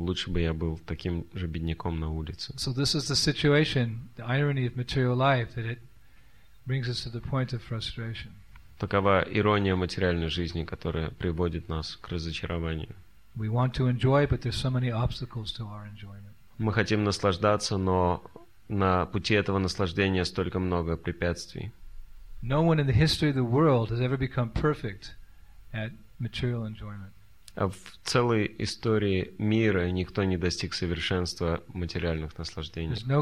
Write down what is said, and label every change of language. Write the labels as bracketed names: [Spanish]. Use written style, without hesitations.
[Russian] Лучше бы я был таким же бедняком на улице. [English] So this is the situation, the irony of material life, that it brings us to the point of frustration. [Russian] Такова ирония материальной жизни, которая приводит нас к разочарованию. [English] We want to enjoy, but there's so many obstacles to our enjoyment. [Russian] Мы хотим наслаждаться, но на пути этого наслаждения столько много препятствий. [English] No one in the history of the world has ever become perfect at material enjoyment. [Russian] В целой истории мира никто не достиг совершенства материальных наслаждений.